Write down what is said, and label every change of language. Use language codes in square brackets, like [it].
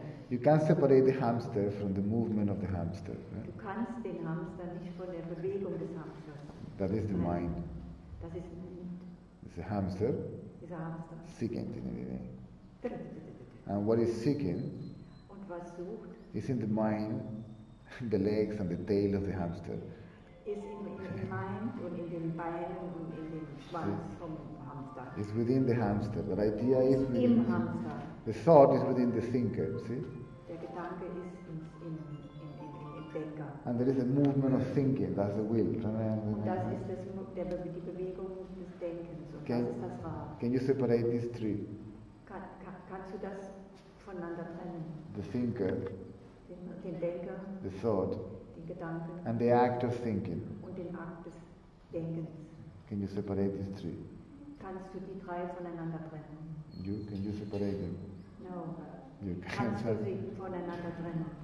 [en] You can't separate the hamster from the movement of the hamster. Right? [de] Du kannst den Hamster nicht von der Bewegung des Hamsters. [en] That is the mind. [de] Das ist der Mind. [en] It's a hamster. [de] Ist ein Hamster. [en] Seeking in anything. And what is seeking [de] und was sucht, [en] is in the mind, the legs and the tail of the hamster. Is in the mind and in the [de] Beinen [en] and in the [de] Schwanz vom [en] Hamster. It's within the hamster. The idea is within [de] im Hamster. [en] The thought is within the thinker. See? [de] Der Gedanke ist in Denker. [en] And there is a movement of thinking. That's the will. [de] Und das ist die Bewegung des Denkens. [en] Can you separate these three? [de] Kannst du das voneinander trennen? [en] The thinker, [de] den Denker, [en] the thought, [de] den Gedanken, [en] and the act of thinking. [de] Und den Akt des Denkens. [en] Can you separate these three? [de] Kannst du die drei voneinander trennen? [en] Can you separate them? No. You [de] kannst du sie voneinander trennen?